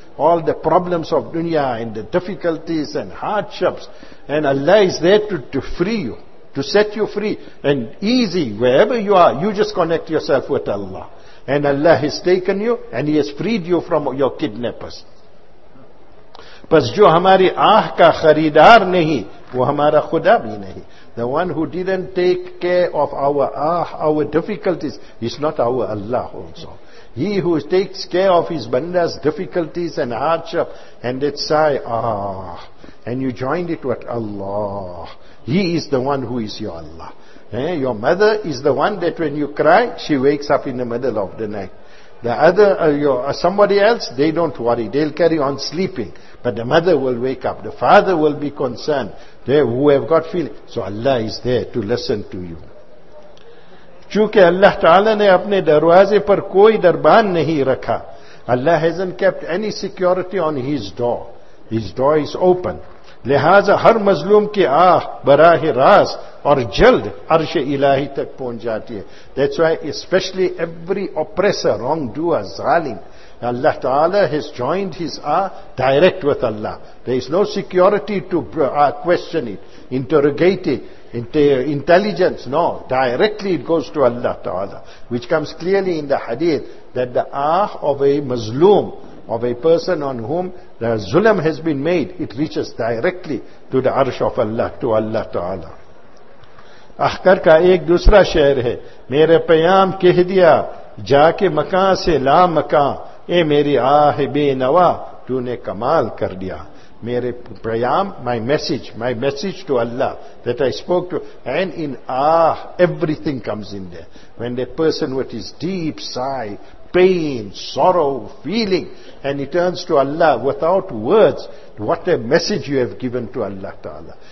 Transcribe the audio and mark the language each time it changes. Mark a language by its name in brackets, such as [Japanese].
[English] All the problems of dunya and the difficulties and hardships. And Allah is there to free you. To set you free. And easy, wherever you are, you just connect yourself with Allah. And Allah has taken you and He has freed you from your kidnappers. [Urdu] پس جو ہماری آہ کا خریدار نہیں وہ ہمارا خدا بھی نہیں. [English] The one who didn't take care of our آہ, our difficulties, is not our Allah also. He who takes care of his banda's difficulties and hardship and that sigh, ah, and you joined it with Allah, He is the one who is your Allah. Your mother is the one that when you cry, she wakes up in the middle of the night. The other, somebody else, they don't worry. They'll carry on sleeping. But the mother will wake up. The father will be concerned. They who have got feeling. So Allah is there to listen to you. [Urdu] چونکہ اللہ تعالیٰ نے اپنے دروازے پر کوئی دربان نہیں رکھا. [English] Allah hasn't kept any security on His door. His door is open. [Urdu] لہذا ہر مظلوم کی آہ براہ راست اور جلد عرش الہی تک پہنچ جاتی ہے. [English] That's why especially every oppressor, wrongdoer, ظالم, Allah Ta'ala has joined His Ah direct with Allah. There is no security to question it, interrogate it, intelligence, no. Directly it goes to Allah Ta'ala. Which comes clearly in the hadith that the Ah of a mazloom, of a person on whom the zulm has been made, it reaches directly to the arsh of Allah, to Allah Ta'ala. [Urdu] اخکر کا ایک دوسرا شعر ہے. میرے پیام کہہ دیا جا کے مکان سے لا مکان, اے میری آہ بے نوا تو نے کمال کر دیا. میرے پیام, [English] my message to Allah that I spoke to, and in Ah everything comes in there. When the person with his deep sigh, pain, sorrow, feeling, and he turns to Allah without words, what a message you have given to Allah Ta'ala.